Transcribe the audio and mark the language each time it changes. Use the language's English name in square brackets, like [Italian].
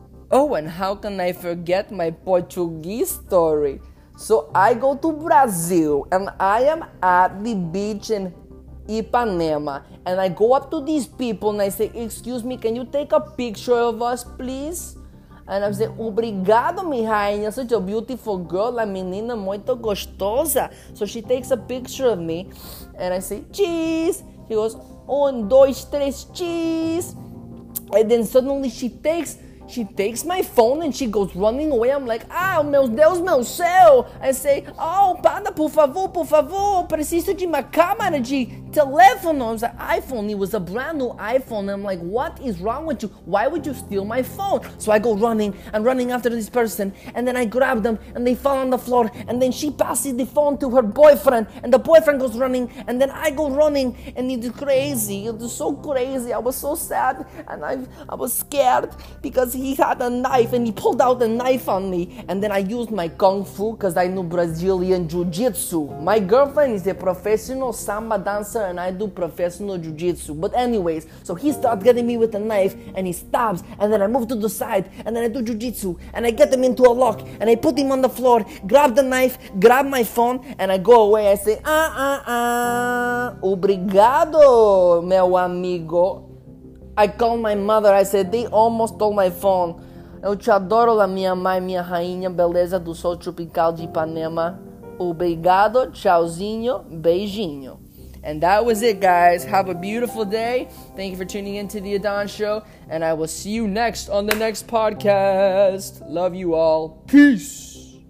[English] Oh, and how can I forget my Portuguese story? So I go to Brazil, and I am at the beach in Ipanema. And I go up to these people, and I say, excuse me, can you take a picture of us, please? And I say, [Portuguese] obrigado, minha rainha, [English] such a beautiful girl, [Portuguese] a menina muito gostosa. [English] So she takes a picture of me, and I say, cheese. She goes, [Portuguese] un, dois, três, [English] cheese. And then suddenly she takes my phone and she goes running away. I'm like, [Portuguese] ah, meu Deus, meu céu. [English] I say, [Portuguese] oh, panda, por favor, preciso de uma câmera de telefone. [English] It was an iPhone. It was a brand new iPhone. I'm like, what is wrong with you? Why would you steal my phone? So I go running and running after this person. And then I grab them and they fall on the floor. And then she passes the phone to her boyfriend. And the boyfriend goes running. And then I go running. And it's crazy. It was so crazy. I was so sad. And I was scared because he had a knife. And he pulled out a knife on me. And then I used my kung fu because I knew Brazilian jiu-jitsu. My girlfriend is a professional samba dancer. And I do professional jiu-jitsu. But anyways, so he starts getting me with a knife and he stabs, and then I move to the side and then I do jiu-jitsu and I get him into a lock and I put him on the floor, grab the knife, grab my phone, and I go away. I say, [Portuguese] obrigado, meu amigo. [English] I call my mother. I said, they almost stole my phone. [Portuguese] Eu te adoro, la minha mãe, minha rainha, beleza do sol tropical de Ipanema. Obrigado, tchauzinho, beijinho. [English] And that was it, guys. Have a beautiful day. Thank you for tuning in to the Adon Show. And I will see you next on the next podcast. Love you all. Peace.